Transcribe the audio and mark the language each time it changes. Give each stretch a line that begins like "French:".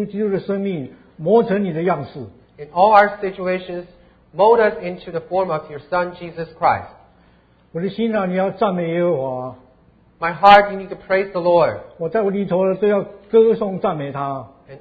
Chinese: 叫我们能够得着神儿子耶稣基督的生命，磨成你的样式。
English: In all our situations, mold us into the form of your Son Jesus Christ.
Chinese: 我的心啊，你要赞美耶和华。
English: My heart, you need to praise the Lord.
Chinese: 我在我里头都要歌颂赞美他。
English: And